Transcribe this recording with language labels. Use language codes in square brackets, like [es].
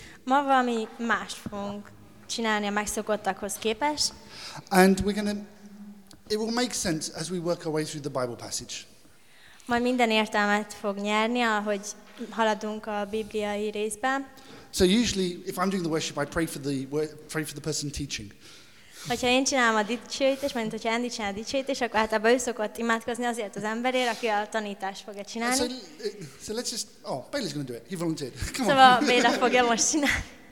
[hu] Ma valami más fogunk csinálni a megszokottakhoz képest. [en] And we're going to... It will make sense as we work our way through the Bible passage. [hu] Majd minden értelmet fog nyerni, ahogy haladunk a bibliai részben. [en] So usually, if I'm doing the worship, I pray for the person teaching. [hu] Hogyha én csinálom a dicsőítést, mert hogyha Andy csinál a dicsőítést, akkor általában ő szokott imádkozni azért az emberért, aki a tanítást fogja csinálni. [en] So let's just... Oh, Bailey's going to do it. He volunteered. Come on. [hu] Szóval Béla fogja most csinálni.